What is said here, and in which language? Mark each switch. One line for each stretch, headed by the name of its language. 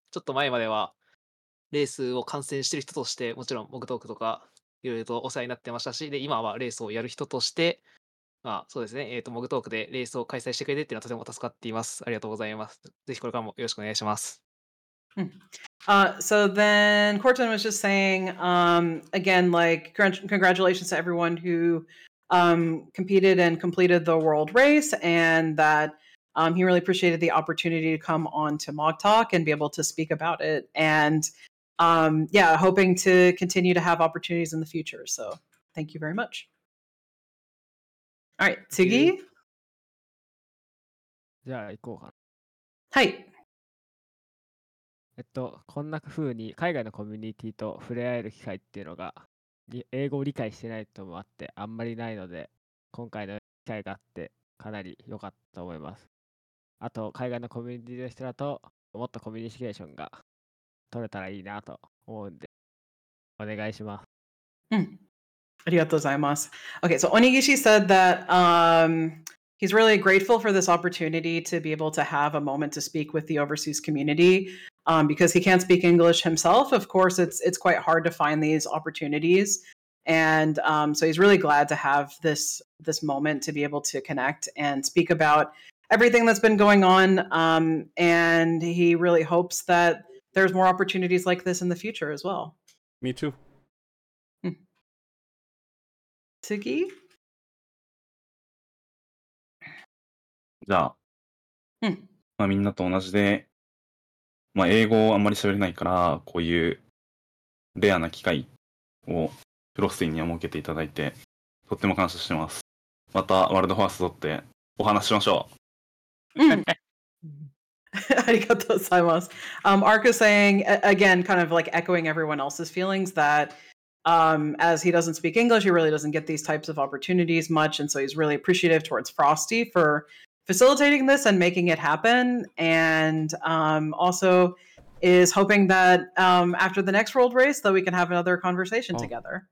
Japanese: ちょっと前まではレースを観戦してる人としてもちろんMogTalkとかいろいろとお世話になってましたし、で今はレースをやる人としてまあ、そうですね、MogTalkでレースを開催してくれてっていうのはとても助かっています。ありがとうございます。ぜひこれからもよろしくお願いします。
English: So then, Corten was just saying, again, like, congratulations to everyone who competed and completed the world race, and that he really appreciated the opportunity to come on to MogTalk and be able to speak about it. And yeah, hoping to continue to have opportunities in the future. So thank you very much. All right,
Japanese: 次。じゃあ行こうかな。はい。こんな風に海外のコミュニティと触れ合える機会っていうのが英語を理解してないともあってあんまりないので、今回の機会があってかなり良かったと思います。あと海外のコミュニティの人だともっとコミュニケーションが取れたらいいなと思うんでお願いします。うん、ありがとうございます。
English: OK, so Onigishi said that he's really grateful for this opportunity to be able to have a moment to speak with the overseas communityBecause he can't speak English himself, of course, it's quite hard to find these opportunities. And so he's really glad to have this moment to be able to connect and speak about everything that's been going on. And he really hopes that there's more opportunities like this in the future as well. Me too.
Japanese: Tsugi? じゃあ、まあみんなと同じで、まあ、英語をあんまり喋れないからこういうレアな機会をフロスティンには設けていただいてとっても感謝してます。またワールドファースト取ってお話しましょう。ありがとうございます。
English: Ark is saying again, kind of like echoing everyone else's feelings thatas he doesn't speak English, he really doesn't get these types of opportunities much, and so he's really appreciative towards Frosty forfacilitating this and making it happen, and also is hoping that after the next world race that we can have another conversation together.